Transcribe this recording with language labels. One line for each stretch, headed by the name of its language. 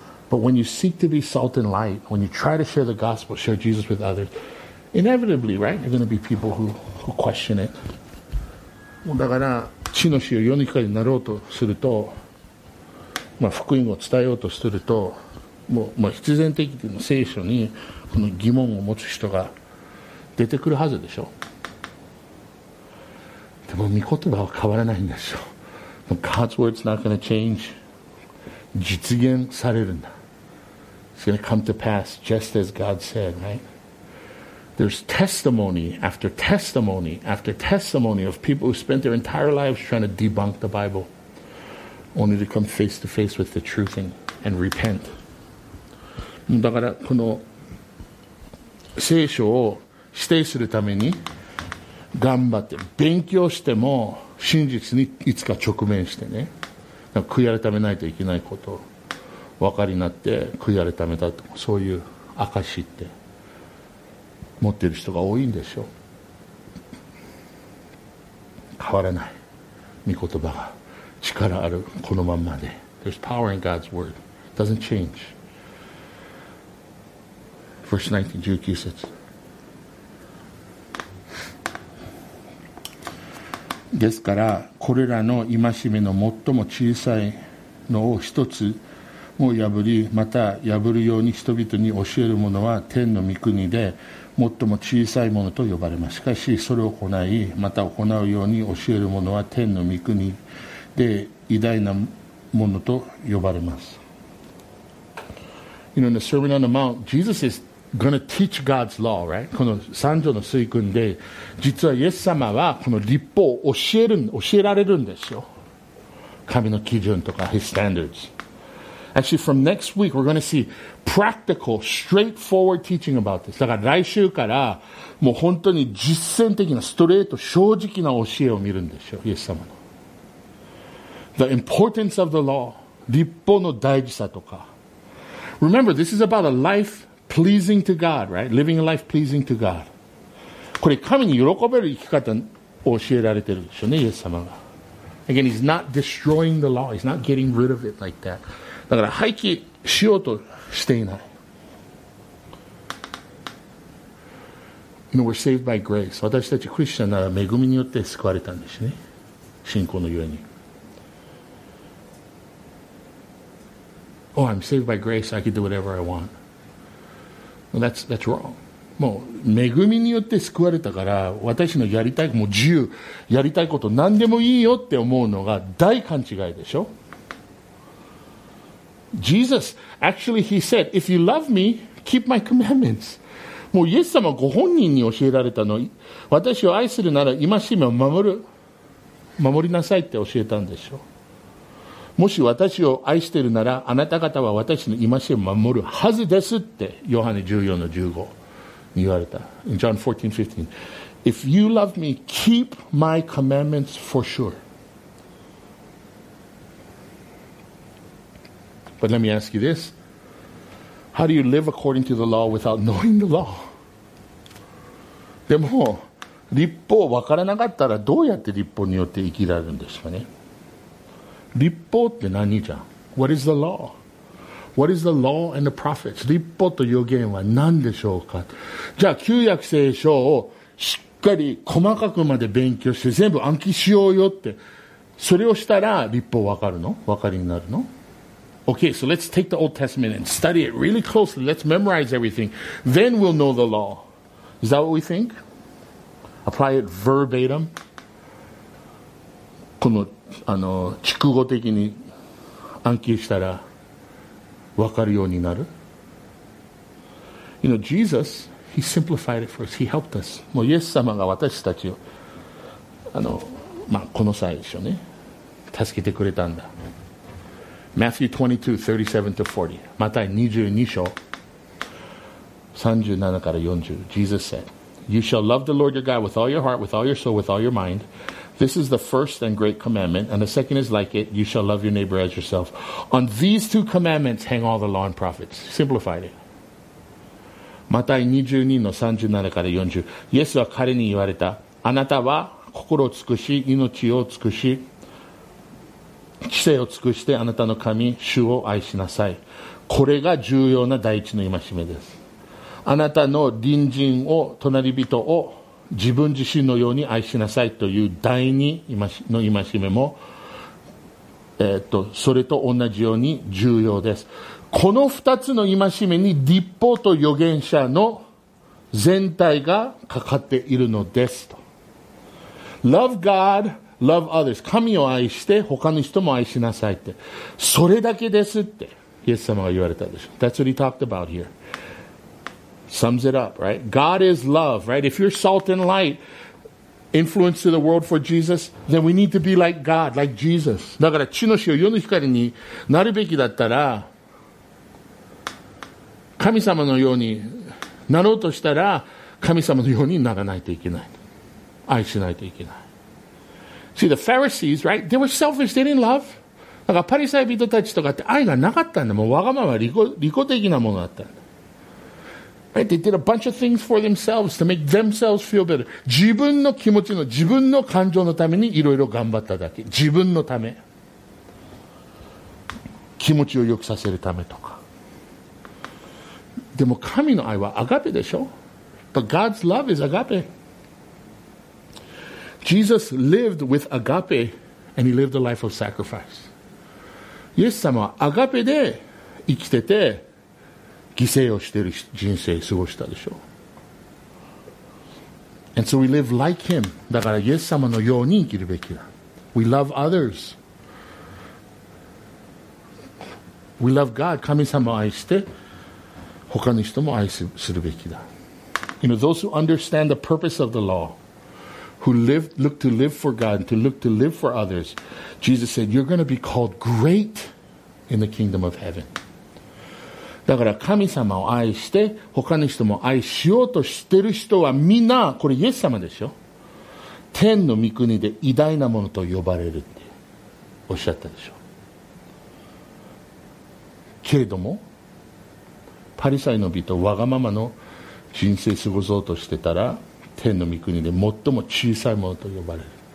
English: But when you seek to be salt and light, when you try to share the gospel, share Jesus with others, inevitably, right, there are going to be people who question it.
Japanese: だから地の塩世の光になろうとすると、まあ、福音を伝えようとするともう、まあ、必然的に聖書にこの疑問を持つ人が出てくるはずでしょ。でも御言葉は変わらないんですよ。
English: God's word's not going to change.
Japanese: 実現されるんだ。
English: It's going to come to pass just as God said, right? There's testimony after testimony after testimony of people who spent their entire lives trying to debunk the Bible, only to come face to face with the truth and repent.
Japanese: だからこの聖書を否定するために頑張って勉強しても真実にいつか直面してね、悔い改めないといけないことを分かりになって悔い改めたとそういう証って。持ってる人が多いんでしょう。変わらない御言葉が力あるこのまんまで。
English: There's power in God's word. It doesn't change. Verse 19, 19 says,
Japanese: ですからこれらの戒めの最も小さいのを一つも破り、また破るように人々に教えるものは天の御国で最も小さいものと呼ばれます。しかしそれを行い、また行うように教えるものは天の御国で偉大なものと呼ばれます。
English: You know, in the Sermon on the Mount, Jesus is going to teach God's law, right?
Japanese: この三条の水訓で実はイエス様はこの律法を教えられるんですよ。神の基準とか
English: His standards. Actually, from next week, we're going to seePractical, straightforward teaching about this.
Japanese: だから来週からもう本当に実践的なストレート正直な教えを見るんでしょう。イエス様の
English: The importance of the law.
Japanese: 律法の大事さとか。
English: Remember, this is about a life pleasing to God, right? Living a life pleasing to God.
Japanese: これ神に喜べる生き方を教えられてるでしょうね、イエス様が。
English: Again, he's not destroying the law. He's not getting rid of it like that.
Japanese: だから廃棄しようとしていない。
English: You know, we're saved by grace.
Japanese: 私たちクリスチャンなら恵みによって救われたんですね。信仰のゆえに。
English: Oh, I'm saved by grace. I can do whatever I want. Well, that's wrong.
Japanese: もう恵みによって救われたから私のやりたいもう自由やりたいこと何でもいいよって思うのが大勘違いでしょ。
English: Jesus actually he said if you love me keep my commandments。
Japanese: もうイエス様ご本人に教えられたの、私を愛するなら戒めを守る、守りなさいって教えたんでしょ。もし私を愛してるならあなた方は私の戒めを守るはずですってヨハネ14の15に言われた。
English: John 14:15 If you love me keep my commandments for sure。 But let me ask you this、 How do you live according to the law without knowing the law?
Japanese: でも律法を分からなかったらどうやって律法によって生きられるんですかね。律法って何じゃん。
English: What is the law? What is the law and the prophets?
Japanese: 律法と予言は何でしょうか。じゃあ旧約聖書をしっかり細かくまで勉強して全部暗記しようよって、それをしたら律法分かるの、分かりになるの。
English: OK, so let's take the Old Testament and study it really closely. Let's memorize everything. Then we'll know the law. Is that what we think? Apply it verbatim.
Japanese: この、あの、逐語的に暗記したら分かるようになる。
English: You know, Jesus, he simplified it for us. He helped us.
Japanese: もうイエス様が私たちを、あの、まあ、この際でしょうね。助けてくれたんだ。
English: Matthew 22:37-40.
Japanese: マタイ22章37から40。
English: Jesus said,You shall love the Lord your God with all your heart, with all your soul, with all your mind. This is the first and great commandment. And the second is like it. You shall love your neighbor as yourself. On these two commandments hang all the law and prophets. Simplified it. Matthew 22:37 から40.
Japanese: イエスは彼に言われた。あなたは心を尽くし、命を尽くし、知性を尽くしてあなたの神、主を愛しなさい。これが重要な第一の戒めです。あなたの隣人を隣人を自分自身のように愛しなさいという第二の戒めも、それと同じように重要です。この二つの戒めに律法と預言者の全体がかかっているのですと。
English: Love God, love others。
Japanese: 神を愛して他の人も愛しなさいって、それだけですってイエス様が言われたでしょ。
English: That's what he talked about hereSums it up, right? God is love, right? If you're salt and light, influence to the world for Jesus, then we need to be like God, like Jesus.
Japanese: だから地の塩、世の光になるべきだったら、神様のようになろうとしたら、神様のようにならないといけない。愛しないといけない。
English: See, the Pharisees, right? They were selfish, they didn't love.
Japanese: だからパリサイ人たちとかって愛がなかったんだ。もうわがまま、利己的なものだったんだ。
English: Right, they did a bunch of things for themselves to make themselves feel better.
Japanese: 自分の気持ちの、自分の感情のためにいろいろ頑張っただけ。自分のため。気持ちを良くさせるためとか。でも神の愛はアガペでしょ?
English: But God's love is agape. Jesus lived with agape and he lived a life of sacrifice.
Japanese: イエス様はアガペで生きてて、犠牲をしている人生を過ごしたでしょう。
English: And so we live like him.
Japanese: だからイエス様のように生きるべきだ。
English: We love others. We love God.
Japanese: 神様を愛して他の人も愛するべきだ。
English: You know, those who understand the purpose of the law, who live, look to live for God, to look to live for others, Jesus said, you're going to be called great in the kingdom of heaven.
Japanese: だから神様を愛して他の人も愛しようとしてる人はみんな、これイエス様でしょ、天の御国で偉大なものと呼ばれるっておっしゃったでしょ。けれどもパリサイの人、わがままの人生過ごそうとしてたら天の御国で最も小さいものと呼ばれる。